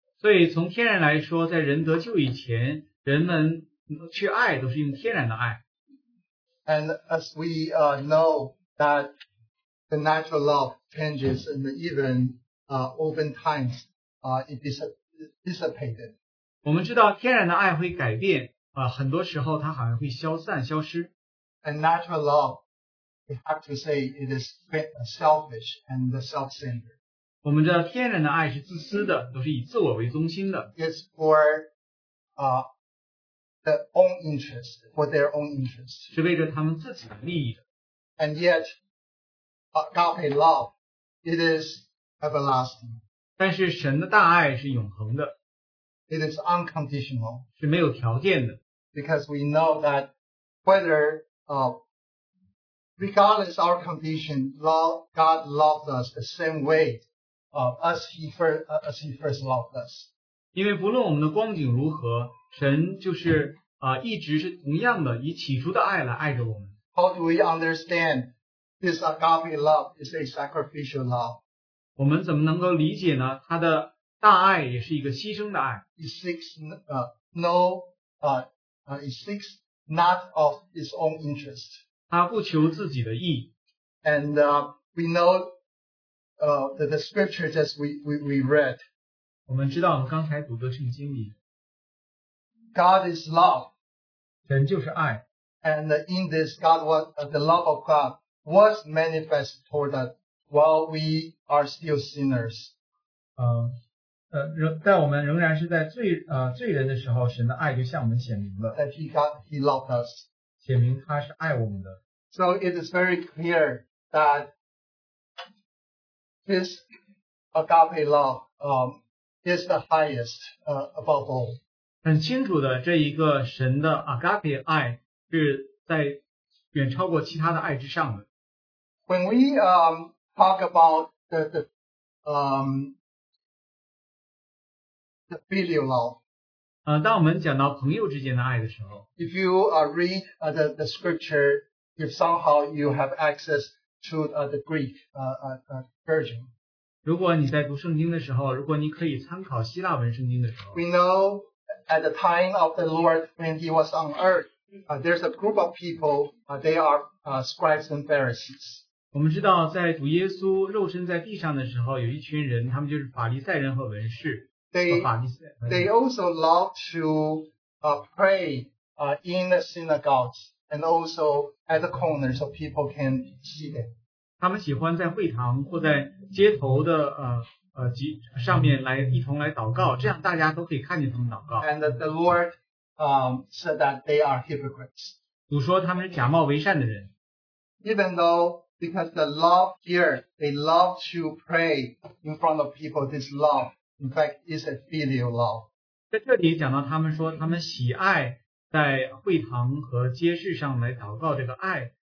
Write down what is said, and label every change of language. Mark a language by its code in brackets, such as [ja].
[zh] 所以从天然来说，在人得救以前，人们去爱都是用天然的爱。 [en] And as we know that the natural love changes and even oftentimes it dissipated. [zh] 我们知道天然的爱会改变。很多时候它好像会消散消失。 [en] And natural love, we have to say it is selfish and self-centered. [zh] 我们知道天然的爱是自私的，都是以自我为中心的。 [en] It's for their own interest, for their own interest. [zh] 是为着他们自己的利益的。 [en] And yet, agape love, it is everlasting. [zh] 但是神的大爱是永恒的。 [en] It is unconditional. [zh] 是没有条件的。 [en] Because we know that whether, regardless our condition, God loves us the same way, as He first loved us. [zh] 因为不论我们的光景如何，神就是一直是同样的，以起初的爱来爱着我们。 [en] How do we understand this agape love is a sacrificial love? [zh] 我们怎么能够理解呢？他的大爱也是一个牺牲的爱。 [en] It seeks not of its own interest. [zh] 他不求自己的意。 [en] And we know that the scripture just we read. [zh] 我们知道我们刚才读的圣经里。 [en] God is love. [zh] 神就是爱。 [en] And in this, God was the love of God was manifest toward us while we are still sinners. [zh] 在我们仍然是在罪人的时候，神的爱就向我们显明了。 [en] He loved us. [zh] 显明他是爱我们的。 [en] So it is very clear that his agape love is the highest above all. [zh] 很清楚的，这一个神的 agape 爱是在远超过其他的爱之上的。 [en] When we talk about the filial love. [zh] 当我们讲到朋友之间的爱的时候， [en] If you read the scripture, if somehow you have access to the Greek version. [zh] 如果你在读圣经的时候，如果你可以参考希腊文圣经的时候， [en] We know at the time of the Lord when he was on earth, there's a group of people, they are scribes and Pharisees. [zh] 我们知道在主耶稣肉身在地上的时候，有一群人，他们就是法利赛人和文士。 [en] They also love to pray in the synagogues and also at the corner so people can see them. [zh] 他们喜欢在会堂或在街头的上面来一同来祷告，这样大家都可以看见他们祷告。 [en] And the Lord said that they are hypocrites. [zh] 主说他们是假冒为善的人。 [en] Even though because the law here, they love to pray in front of people, this law, in fact, is a filial law. [zh] 在这里讲到他们说他们喜爱在会堂和街市上来祷告这个爱。